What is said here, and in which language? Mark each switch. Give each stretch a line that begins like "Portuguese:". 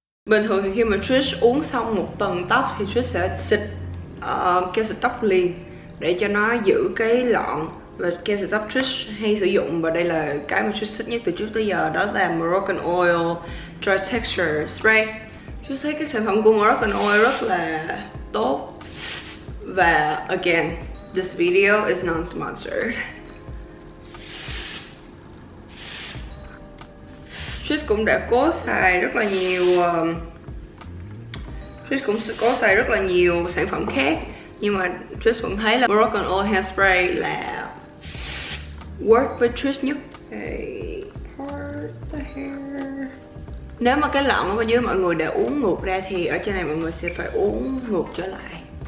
Vietnamese: Bình thường thì khi mà Trish uống xong một tầng tóc thì Trish sẽ xịt keo xịt tóc liền để cho nó giữ cái lọn. Và keo xịt tóc Trish hay sử dụng, và đây là cái mà Trish thích nhất từ trước tới giờ, đó là Moroccanoil Dry Texture Spray. Trish thấy cái sản phẩm của Moroccanoil rất là tốt.
English: Và again, this video is non-sponsored.
Vietnamese: Trish cũng đã cố xài rất là nhiều Trish cũng cố xài rất là nhiều sản phẩm khác, nhưng mà Trish vẫn thấy là Moroccanoil Hairspray là work với Trish nhất.
English: Okay, part the hair.
Vietnamese: Nếu mà cái lọn ở dưới mọi người đã uống ngược ra thì ở trên này mọi người sẽ phải uống ngược trở lại.